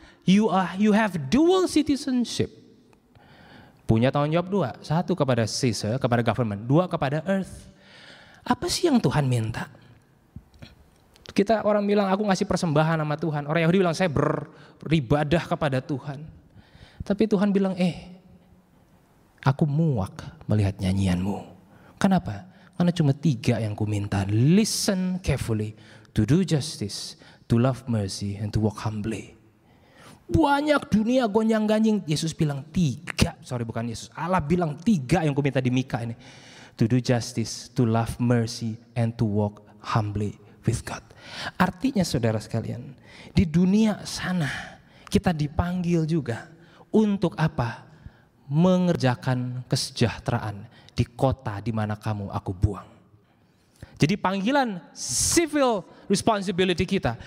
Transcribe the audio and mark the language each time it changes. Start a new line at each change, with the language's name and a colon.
English: You have dual citizenship.
Indonesian: Punya tanggung jawab dua. Satu kepada Caesar, kepada government. Dua kepada earth. Apa sih yang Tuhan minta? Kita orang bilang, aku ngasih persembahan sama Tuhan. Orang Yahudi bilang, saya beribadah kepada Tuhan. Tapi Tuhan bilang, aku muak melihat nyanyianmu. Kenapa? Karena cuma tiga yang ku minta.
English: Listen carefully. To do justice, to love mercy, and to walk humbly.
Indonesian: Banyak dunia gonjang-ganjing. Yesus bilang tiga. Sorry bukan Yesus. Allah bilang tiga yang ku minta di Mika ini.
English: To do justice, to love mercy, and to walk humbly with God.
Indonesian: Artinya saudara sekalian, di dunia sana kita dipanggil juga untuk apa? Mengerjakan kesejahteraan di kota di mana kamu aku buang. Jadi panggilan civil responsibility kita.